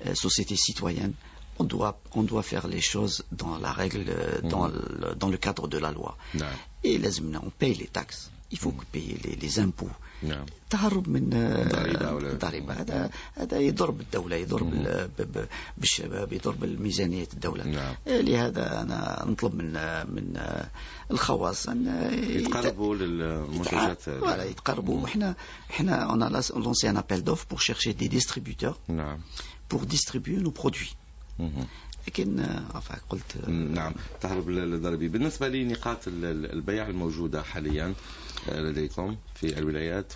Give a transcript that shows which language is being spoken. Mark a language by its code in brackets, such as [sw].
[fr] سوسيتي سيتويان On doit faire les choses dans la règle, dans le cadre de la loi. Non. Et on paye les taxes. il faut payer les impôts. [ar] تهرب من ضريبة، هذا يضرب الدولة، يضرب بالشباب، يضرب الميزانية الدولة. لهذا أنا نطلب من الخواص أن يتقربوا للمنتجات، ولا يتقربوا. إحنا [fr] on a lancé un appel d'offres pour chercher des distributeurs pour distribuer nos produits. [ar] لكن رفع قلت نعم تهرب للضريبة. بالنسبة لنقاط البيع الموجودة حاليا لديكم في الولايات،